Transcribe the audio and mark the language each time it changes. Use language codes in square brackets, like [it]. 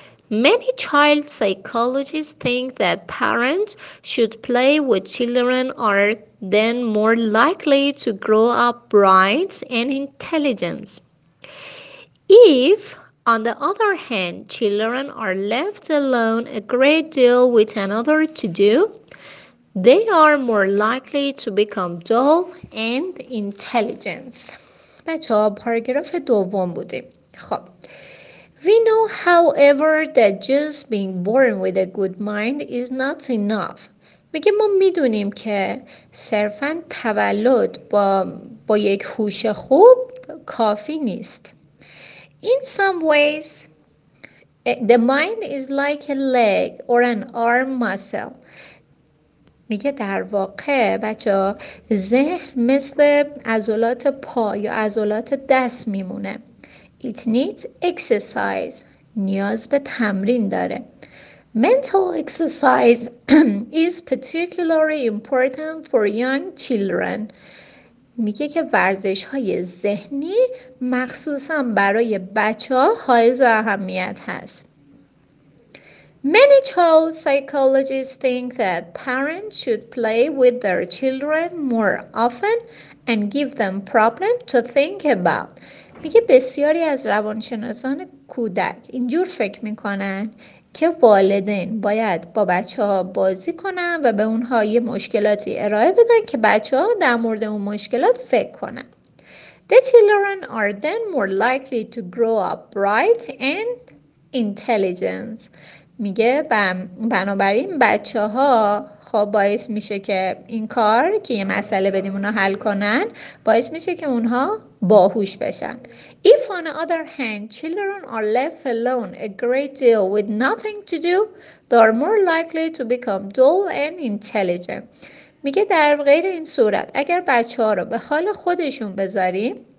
[en] Many child psychologists think that parents should play with children are then more likely to grow up bright and intelligent. If, on the other hand, children are left alone a great deal with another to do, they are more likely to become dull and intelligent. [fa] بچه ها پاراگراف دوم بودیم. خب. [en] We know, however, that just being born with a good mind is not enough. [fa] میگه ما میدونیم که صرفاً تولد با یک هوش خوب کافی نیست. [en] In some ways, the mind is like a leg or an arm muscle. [fa] میگه در واقع بچه ها ذهن مثل عضلات پا یا عضلات دست میمونه. [en] It needs exercise. [fa] نیاز به تمرین داره. [en] Mental exercise is particularly important for young children. [fa] میگه که ورزش های ذهنی مخصوصا برای بچه ها حائز اهمیت هست. [en] Many child psychologists think that parents should play with their children more often and give them problems to think about. [fa] میگه بسیاری از روانشناسان کودک اینجور فکر میکنن که والدین باید با بچه ها بازی کنن و به اونها یه مشکلاتی ارائه بدن که بچه ها در مورد اون مشکلات فکر کنن. [en] The children are then more likely to grow up bright and intelligent. [fa] میگه بنابراین بچه ها خب باعث میشه که این کار که یه مسئله بدیم اونها حل کنن باعث میشه که اونها باهوش بشن. [en] If on the other hand children are left alone a great deal with nothing to do, they are more likely to become dull and intelligent. [fa] میگه در غیر این صورت اگر بچه ها رو به حال خودشون بذاریم